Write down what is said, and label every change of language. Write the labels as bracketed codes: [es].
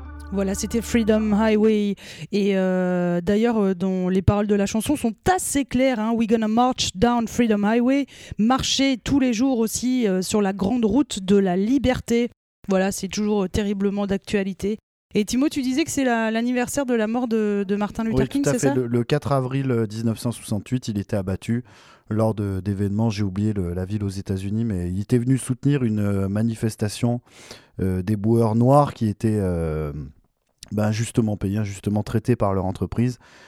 [fr] Voilà, c'était Freedom Highway. Et d'ailleurs, dont les paroles de la chanson sont assez claires. Hein. [en] We're gonna march down Freedom Highway. [fr] Marcher tous les jours aussi sur la grande route de la liberté. Voilà, c'est toujours terriblement d'actualité. Et Timo, tu disais que c'est l'anniversaire de la mort de Martin Luther King, c'est ça ? Oui, tout à fait. Le 4 avril 1968, il était abattu lors d'événements. J'ai oublié la ville aux États-Unis, mais il était venu soutenir une manifestation des boueurs noirs qui étaient justement payés, justement traités par leur entreprise.